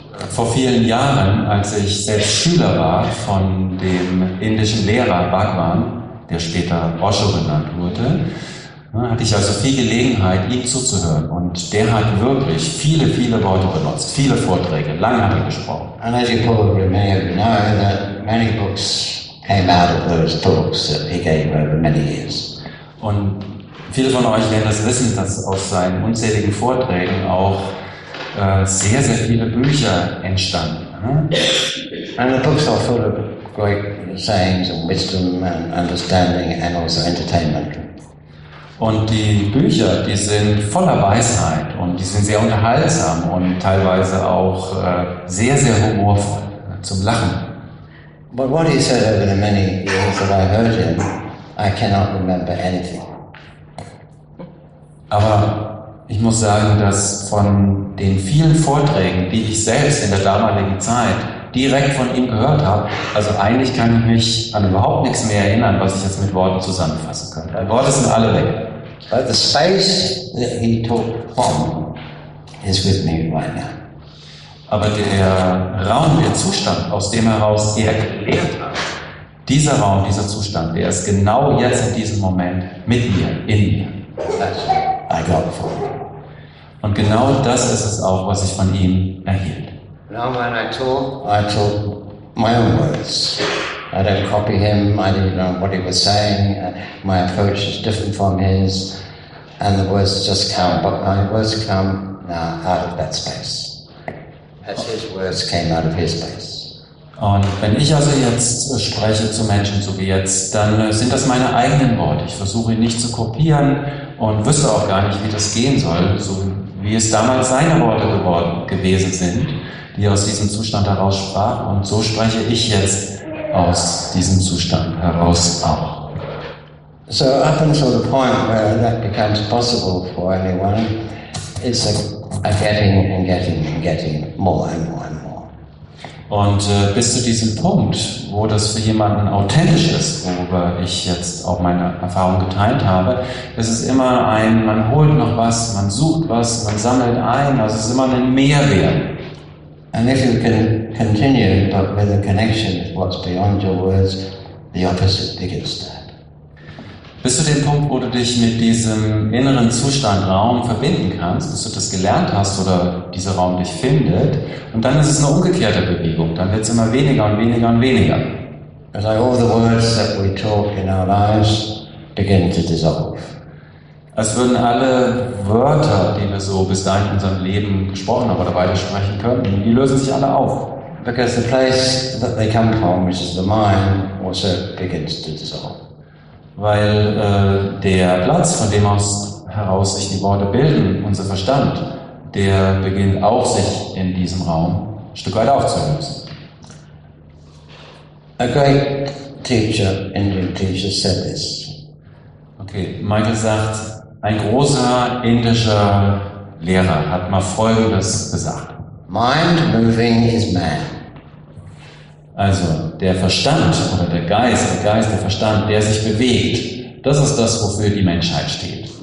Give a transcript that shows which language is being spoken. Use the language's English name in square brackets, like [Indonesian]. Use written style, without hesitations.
[German] Vor vielen Jahren, als ich selbst Schüler war von dem indischen Lehrer Bhagwan, der später Osho genannt wurde, hatte ich also viel Gelegenheit, ihm zuzuhören. Und der hat wirklich viele, viele Worte benutzt, viele Vorträge, lange hat er gesprochen. [English] And as you probably may have known, that many books came out of those talks that he gave over many years. [German] Und viele von euch werden das wissen, dass aus seinen unzähligen Vorträgen auch sehr, sehr viele Bücher entstanden. [English] And the books are full of great sayings and wisdom and understanding and also entertainment. [German] Und die Bücher, die sind voller Weisheit und die sind sehr unterhaltsam und teilweise auch sehr, sehr humorvoll, zum Lachen. [English] But what he said over the many years that I heard him, I cannot remember anything. [German] Aber ich muss sagen, dass von den vielen Vorträgen, die ich selbst in der damaligen Zeit direkt von ihm gehört habe, also eigentlich kann ich mich an überhaupt nichts mehr erinnern, was ich jetzt mit Worten zusammenfassen könnte. Die Worte sind alle weg. [English] But the space that he talked from is with me right now. [German] Aber der Raum, der Zustand, aus dem heraus er gelehrt hat, dieser Raum, dieser Zustand, der ist genau jetzt in diesem Moment mit mir, in mir. [English] I got from him. [German] Und genau das ist es auch, was ich von ihm erhielt. [English] Now when I talk my own words. I don't copy him, I don't know what he was saying, my approach is different from his, and the words just come, but my words come now out of that space. As his words came out of his space. [German] Und wenn ich also jetzt spreche zu Menschen, so wie jetzt, dann sind das meine eigenen Worte. Ich versuche ihn nicht zu kopieren und wüsste auch gar nicht, wie das gehen soll, so wie es damals seine Worte gewesen sind, die aus diesem Zustand heraus sprach. Und so spreche ich jetzt aus diesem Zustand heraus auch. [English] So up until the point where that becomes possible for anyone, it's a getting and getting and getting more and more and more. [German] Und bis zu diesem Punkt, wo das für jemanden authentisch ist, worüber ich jetzt auch meine Erfahrung geteilt habe, es ist immer ein, man holt noch was, man sucht was, man sammelt ein, also es ist immer ein Mehrwert. [English] And if you can continue, but with a connection with what's beyond your words, the opposite begins to happen. [German] Bis zu dem Punkt, wo du dich mit diesem inneren Zustand Raum verbinden kannst, bis du das gelernt hast oder dieser Raum dich findet, und dann ist es eine umgekehrte Bewegung, dann wird es immer weniger und weniger und weniger. [English] As all the words that we talk in our lives begin to dissolve. [German] als würden alle Wörter, die wir so bis dahin in unserem Leben gesprochen haben oder weitersprechen können, die lösen sich alle auf. [English] Because the place that they come from, which is the mind, also begins to dissolve. [German] Weil der Platz, von dem aus heraus sich die Worte bilden, unser Verstand, der beginnt auch sich in diesem Raum ein Stück weit aufzulösen. [English] A great teacher, Indian teacher, said this. [German] Okay, Michael sagt, ein großer indischer Lehrer hat mal Folgendes gesagt. [English] Mind moving is man. [German] Also, der Verstand oder der Verstand, der sich bewegt, das ist das, wofür die Menschheit steht.